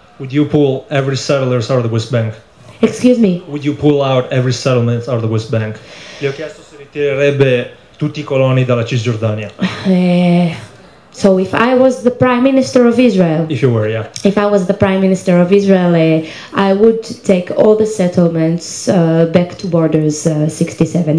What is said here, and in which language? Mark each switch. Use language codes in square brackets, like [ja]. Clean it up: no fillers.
[en] Would you pull every settlers out of the West Bank? Excuse me. Would you pull out every settlement out of the West Bank? [it] Gli ho chiesto se ritirerebbe tutti i coloni dalla Cisgiordania. [en] So if I was the Prime Minister of Israel, if you were, yeah. If I was the Prime Minister of Israel, I would take all the settlements back to borders 67.